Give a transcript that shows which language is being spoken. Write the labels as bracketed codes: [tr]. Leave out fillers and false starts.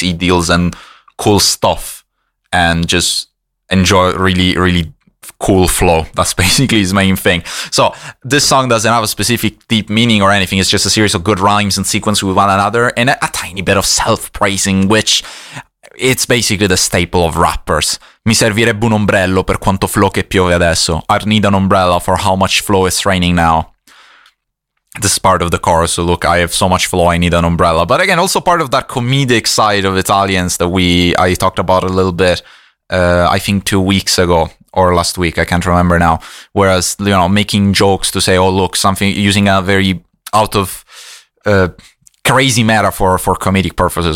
[en] He deals in cool stuff and just enjoy really, really cool flow. That's basically his main thing. So this song doesn't have a specific deep meaning or anything. It's just a series of good rhymes in sequence with one another and a tiny bit of self-praising, which it's basically the staple of rappers. [it] Mi servirebbe un ombrello per quanto flow che piove adesso. [en] I'd need an umbrella for how much flow is raining now. This is part of the chorus, so look, I have so much flow, I need an umbrella. But again, also part of that comedic side of Italians that I talked about a little bit, I think 2 weeks ago, or last week, I can't remember now. Whereas, you know, making jokes to say, oh, look, something, using a very out of crazy metaphor for comedic purposes.